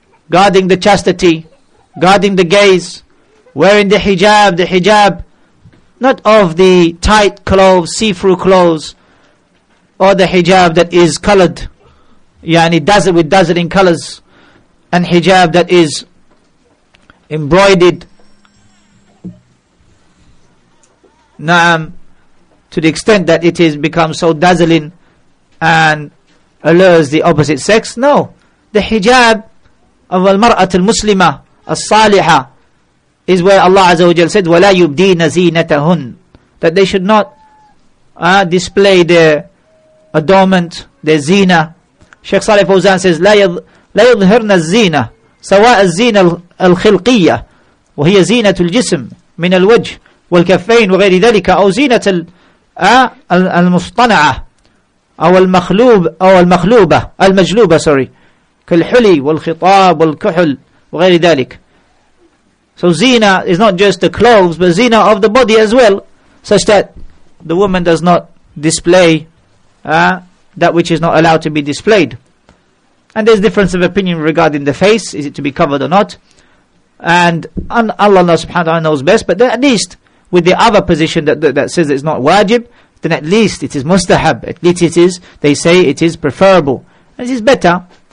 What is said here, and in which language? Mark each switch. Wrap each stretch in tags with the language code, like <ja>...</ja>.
<en>Guarding the chastity, guarding the gaze, wearing the hijab, not of the tight clothes, see-through clothes, or the hijab that is colored, yani dazzled with dazzling colors, and hijab that is embroidered, na'am, to the extent that it is become so dazzling and allures the opposite sex. No, the hijab of</en> <ar>al-mar'at al-muslima al-saliha</ar> <en>is where Allah Azza wa Jalla said,</en> <ar>وَلَا يُبْدِينَ زِينَتَهُنْ,</ar> <en>that they should not display their adornment, their zina. Sheikh Saleh Fawzan says,</en> <ar>لَا يُظْهِرْنَ الزِّينَ سَوَاءَ الزِّينَ الْخِلْقِيَّةِ وَهِيَ زِينَةُ الْجِسْمِ مِنَ الْوَجْهِ وَالْكَفَّيْنِ وَغَيْرِ ذَلِكَ أَوْ زِينَةَ الْمُصْطَنَعَةِ أَوْ الْمَخْلُوبَ أَوْ الْمَخْلُوبَةَ الْمَجْلُوبَةَ</ar> <en>sorry,</en> <ar>كَالْحُلِي وَالْخِطَابُ وَالْكُحُلُ وَغَيْرِ ذَلِكَ.</ar> <en>So zina is not just the clothes, but zina of the body as well, such that the woman does not display that which is not allowed to be displayed. And there's difference of opinion regarding the face, is it to be covered or not? And Allah subhanahu wa ta'ala knows best, but then at least with the other position that says it's not wajib, then at least it is mustahab, at least it is, they say it is preferable. It is better.</en>